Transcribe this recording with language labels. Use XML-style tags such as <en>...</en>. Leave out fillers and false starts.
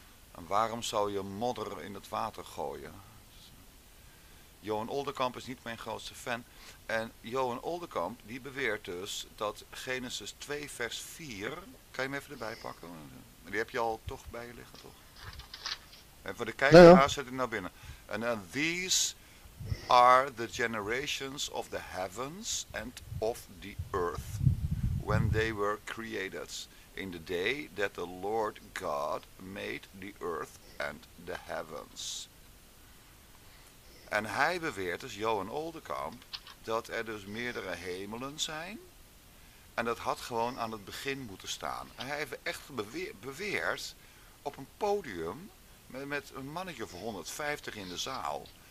<nl>En waarom zou je modder in het water gooien? Johan Oldekamp is niet mijn grootste fan. En Johan Oldekamp die beweert dus dat Genesis 2 vers 4... Kan je hem even erbij pakken? Die heb je al toch bij je liggen, toch? En voor de kijkers, daar zit hij naar binnen. En dan,</nl> <en>these are the generations of the heavens and of the earth when they were created in the day that the Lord God made the earth and the heavens.</en> <nl>En hij beweert, dus Johan Oldekamp, dat er dus meerdere hemelen zijn. En dat had gewoon aan het begin moeten staan. En hij heeft echt beweerd op een podium met een mannetje van 150 in de zaal.</nl>